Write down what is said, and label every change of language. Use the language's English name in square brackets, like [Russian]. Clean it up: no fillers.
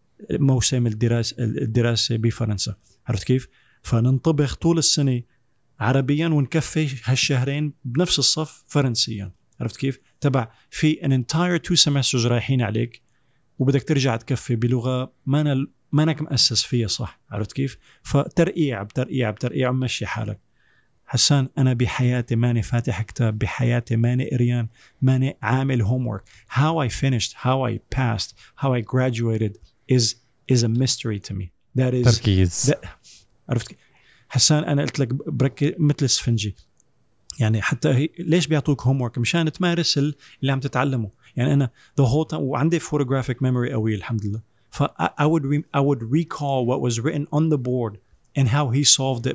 [Arabic] للموسم الدراسة بفرنسا، عرفت كيف؟ فننطبخ طول السنة عربيا ونكفي هالشهرين بنفس الصف فرنسيا، عرفت كيف؟ تبع في [English] an entire two semesters [Arabic] رايحين عليك وبدك ترجع تكفي بلغة ما أنك مأسس فيها صح، عرفت كيف؟ فترقيع بترقيع بترقيع ومشي حالك. حسان أنا بحياتي ماني فاتح كتاب، بحياتي ماني إريان، ماني عامل homework. [English] How I finished, how I passed, how I graduated is a mystery to me. That is [Arabic] تركيز. عرفت كيف؟ حسان أنا قلت لك بركي مثل سفنجي، يعني حتى ليش بيعطوك homework؟ مشان تمارس اللي عم تتعلمه. يعني أنا [English] the whole time [Arabic] وعندي [English] photographic memory [Arabic] قوي الحمد لله. [English] I would recall what was written on the board and how he solved it.